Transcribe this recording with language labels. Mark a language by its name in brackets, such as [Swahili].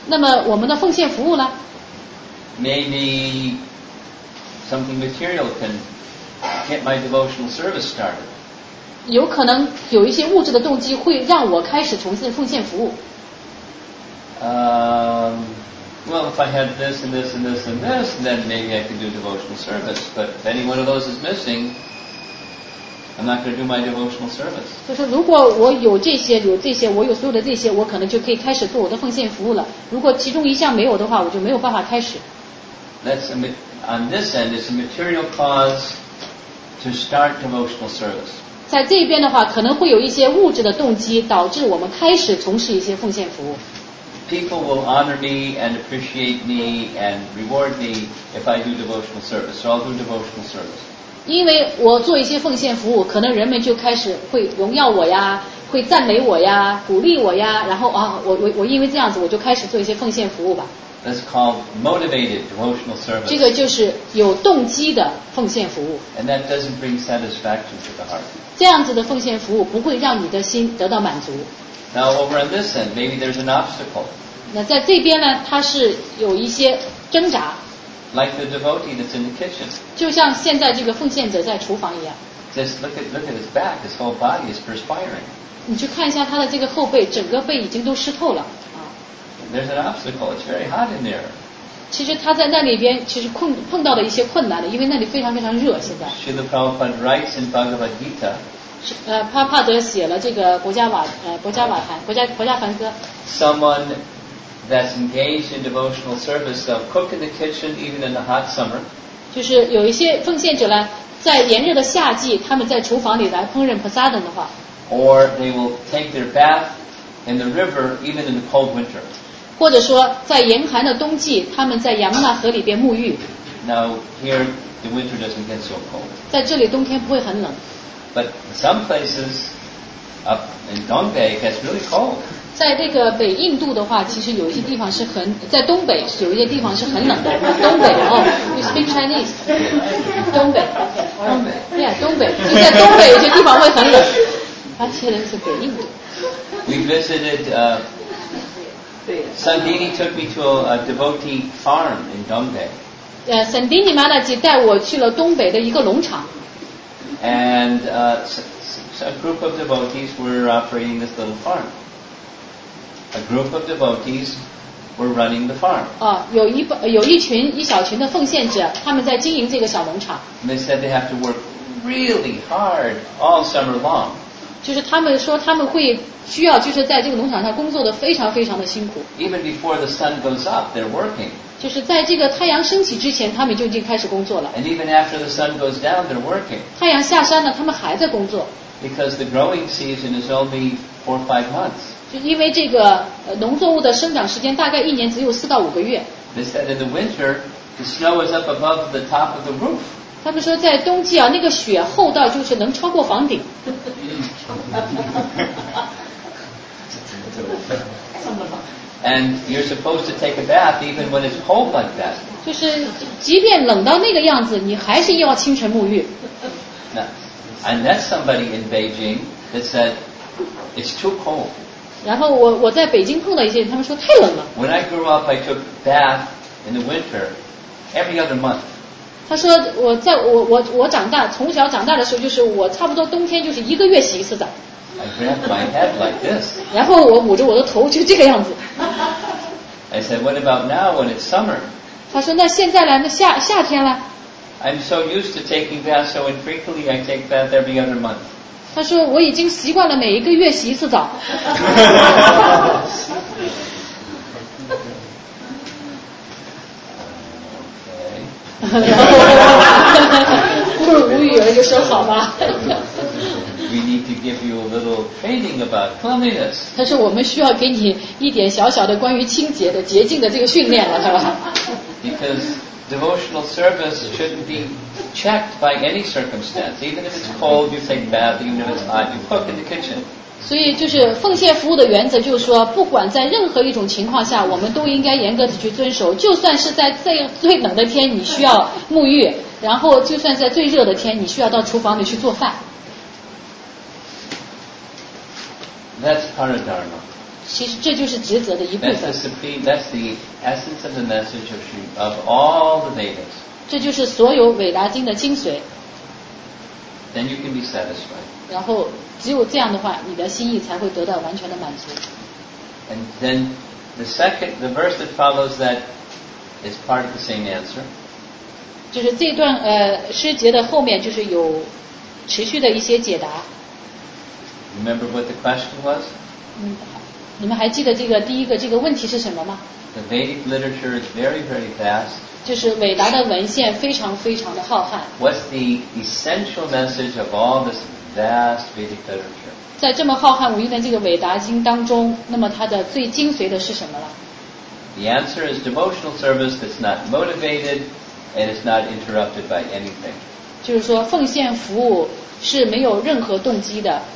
[Chinese] 那么我们的奉献服务呢？ [English] Maybe something material can get my devotional service started. [Chinese] 有可能有一些物质的动机会让我开始重新奉献服务。 [English] Well, if I had this and this and this and this, then maybe I could do devotional service. But if any one of those is missing, I'm not going to do my devotional service. [Chinese] 就是如果我有这些，有这些，我有所有的这些，我可能就可以开始做我的奉献服务了。如果其中一项没有的话，我就没有办法开始。 [English] That's on this end, it's a material cause to start devotional service. [Chinese] 在这边的话，可能会有一些物质的动机导致我们开始从事一些奉献服务。 [English] People will honor me and appreciate me and reward me if I do devotional service. So I'll do devotional service. [Chinese] 因为我做一些奉献服务，可能人们就开始会荣耀我呀，会赞美我呀，鼓励我呀，然后啊，我因为这样子，我就开始做一些奉献服务吧。 [English] That's called motivated devotional service. [Chinese] 这个就是有动机的奉献服务。 [English] And that doesn't bring satisfaction to the heart. [Chinese] 这样子的奉献服务不会让你的心得到满足。 [English] Now over on this end, maybe there's an obstacle. [Chinese] 那在这边呢，它是有一些挣扎。 [English] Like the devotee that's in the kitchen. [Chinese] 就像现在这个奉献者在厨房一样。 [English] Just look at his back. His whole body is perspiring. [Chinese] 你去看一下他的这个后背，整个背已经都湿透了。 [English] There's an obstacle. It's very hot in there. [Chinese] 其实他在那里边其实碰到了一些困难的，因为那里非常非常热现在。 [English] Srila Prabhupada writes in Bhagavad Gita. [Chinese] 帕帕德写了这个国家梵歌。 [English] Someone that's engaged in devotional service, a cook in the kitchen, even in the hot summer. [Chinese] 就是有一些奉献者呢，在炎热的夏季，他们在厨房里来烹饪 prasadam 的话。 [English] Or they will take their bath in the river, even in the cold winter. [Chinese] 或者说在严寒的冬季他们在杨那河里边沐浴。 [English] Now here the winter doesn't get so cold. [Chinese] 在这里冬天不会很冷。 [English] But some places up in Gangbei gets really cold. [Chinese] 在这个北印度的话，其实有一些地方是很，在东北有一些地方是很冷的。东北哦， [English] you speak Chinese. [Chinese] 东北，东北 yeah, 东北，就在东北有些地方会很冷。那些人是北印度。 [English] We visited Sandini took me to a devotee farm in Gangbei. [Chinese] Sandini Maharaj 带我去了东北的一个农场。 [English] And a group of devotees were operating this little farm. A group of devotees were running the farm. [Chinese] 有一小群的奉献者，他们在经营这个小农场。 [English] And they said they have to work really hard all summer long. [Chinese] 就是他们说他们会需要就是在这个农场上工作的非常非常的辛苦。 [English] Even before the sun goes up, they're working. [Chinese] 就是在这个太阳升起之前，他们就已经开始工作了。 [English] And even after the sun goes down, they're working. [Chinese] 太阳下山了，他们还在工作。 [English] Because the growing season is only 4 or 5 months. [Chinese] 就因为这个农作物的生长时间大概一年只有4到5个月。 [English] They said in the winter, the snow is up above the top of the roof. [Chinese] 他们说在冬季啊，那个雪厚到就是能超过房顶。 [English] And you're supposed to take a bath even when it's cold like that. [Chinese] 就是即便冷到那个样子，你还是要清晨沐浴。 [English] And that's somebody in Beijing that said it's too cold. [Chinese] 然后我在北京碰到一些人，他们说太冷了。 [English] When I grew up, I took bath in the winter every other month. [Chinese] 他说我在我长大，从小长大的时候，就是我差不多冬天就是一个月洗一次澡。 [English] I grabbed my head like this. [Chinese] 然后我捂着我的头就这个样子。 [English] I said, what about now when it's summer? [Chinese] 他说那现在呢，那夏天了。 [English] I'm so used to taking baths so infrequently, I take baths every other month. [Chinese] 他说我已经习惯了每一个月洗一次澡。 [English] We need to give you a little training about cleanliness. [Chinese] 但是我们需要给你一点小小的关于清洁的洁净的这个训练了，是吧？ [English] Because devotional service shouldn't be checked by any circumstance. Even if it's cold, you take a bath. Even if it's hot, you cook in the kitchen. [Chinese] 所以就是奉献服务的原则，就是说，不管在任何一种情况下，我们都应该严格的去遵守。就算是在最冷的天，你需要沐浴；然后就算在最热的天，你需要到厨房里去做饭。 [English] That's paradharma. [Chinese] 其实这就是职责的一部分。 [English] That's the supreme. That's the essence of the message of Sri of all the Vedas. [Chinese] 这就是所有伟达经的精髓。 [English] Then you can be satisfied. [Chinese] 然后只有这样的话，你的心意才会得到完全的满足。 [English] And then the verse that follows that is part of the same answer. [Chinese] 就是这段诗节的后面就是有持续的一些解答。 [English] Remember what the question was? [Chinese] 你们还记得这个第一个这个问题是什么吗 [English] ？The Vedic literature is very, very vast. [Chinese] 就是伟达的文献非常非常的浩瀚。 [English] What's the essential message of all this vast Vedic literature? [Chinese] 在这么浩瀚无垠的这个伟达经当中，那么它的最精髓的是什么了 [English] ？The answer is devotional service that's not motivated and is not interrupted by anything. [Chinese] 就是说，奉献服务是没有任何动机的。